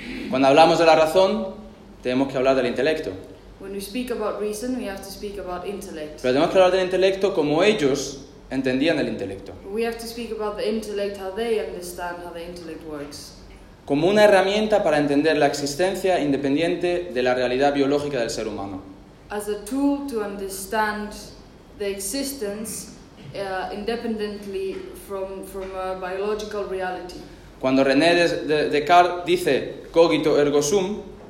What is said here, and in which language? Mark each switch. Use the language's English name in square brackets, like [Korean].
[Spanish] Cuando hablamos de la razón, tenemos que hablar del intelecto. [English] When we speak about reason, we have to speak about intellect. [Spanish] Pero tenemos que hablar del intelecto como ellos entendían el intelecto. [English] We have to speak about the intellect, how they understand how the intellect works. [Spanish] Como una herramienta para entender la existencia independiente de la realidad biológica del ser humano. [English] As a tool to understand the existence independently from a biological reality. [Spanish] Cuando René Descartes dice [Latin] cogito ergo sum,